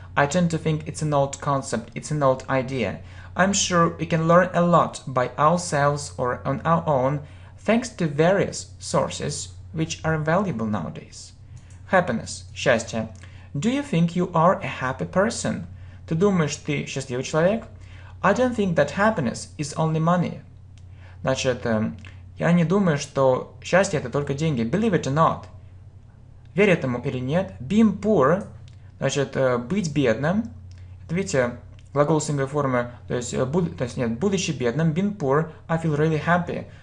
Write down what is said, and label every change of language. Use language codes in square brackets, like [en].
[en] I tend to think it's an old concept, it's an old idea. I'm sure we can learn a lot by ourselves or on our own, thanks to various sources which are available nowadays. Happiness. [ru] Счастье. [en] Do you think you are a happy person? [ru] Ты думаешь, ты счастливый человек? [en] I don't think that happiness is only money. [ru] Значит, я не думаю, что счастье это только деньги. [en] Believe it or not. [ru] Верь этому или нет. [en] Being poor, [ru] значит, быть бедным. Это, видите, глагол синговой формы, будучи бедным, [en] being poor, I feel really happy.